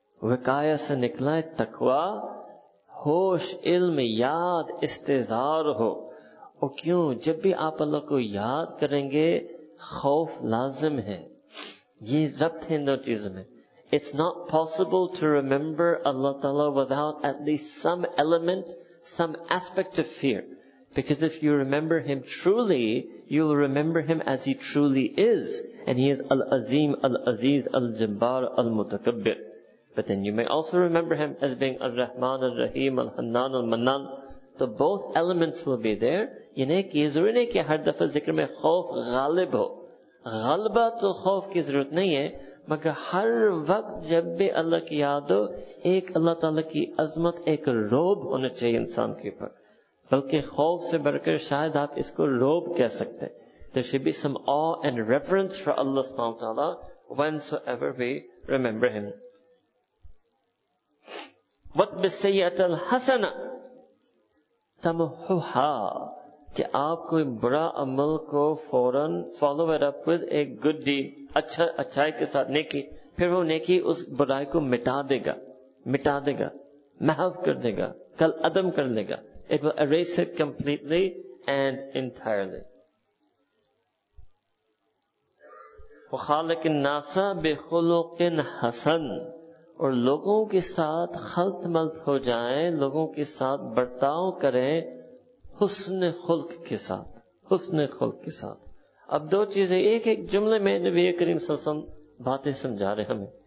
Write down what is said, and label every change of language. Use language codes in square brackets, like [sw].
[ur] وقایا سے نکلا ہے تقوا, ہوش, علم, یاد, استظہار ہو. اور کیوں, جب بھی آپ اللہ کو یاد کریں گے خوف لازم ہے, یہ ربط ہے دو چیزوں میں. [en] It's not possible to remember اللہ تعالیٰ without at least some element, some aspect of fear. Because if you remember him truly, you will remember him as he truly is. And he is Al-Azim, Al-Aziz, Al-Jabbar, Al-Mutakabbir. But then you may also remember him as being Al-Rahman, Al-Rahim, Al-Hannan, Al-Mannan. So both elements will be there. [ur] یعنی کہ یہ ضروری نہیں کہ ہر دفعہ ذکر میں خوف غالب ہو. غلبہ تو خوف کی ضرورت نہیں ہے, مگر ہر وقت جب بھی اللہ کی یاد ہو ایک اللہ تعالیٰ کی عظمت, ایک روب ہونا چاہیے انسان کے اوپر. بلکہ خوف سے بڑھ کر شاید آپ اس کو روب کہہ سکتے. [en] There should be some awe and reverence for Allah سبحانہ وتعالی whensoever we remember him. [ar] وَتْبِ السَّيِّئَةَ الْحَسَنَةَ تَمْحُحَا, [ur] کہ آپ کوئی برا عمل کو فوراً [en] follow it up with a good deed, [ur] اچھائی کے ساتھ نیکی, پھر وہ نیکی اس برائی کو مٹا دے گا, محو کر دے گا, کل عدم کر لے گا. [en] It will erase it completely and entirely. [ar] وَخَالَقِ النَّاسَ بِخُلُقٍ حَسَن, [ur] اور لوگوں کے ساتھ خلط ملت ہو جائیں, لوگوں کے ساتھ برتاؤ کریں حسن خلق کے ساتھ, حسن خلق کے ساتھ. اب دو چیزیں ایک ایک جملے میں نبی کریم صلی اللہ علیہ وسلم باتیں سمجھا رہے ہیں ہمیں.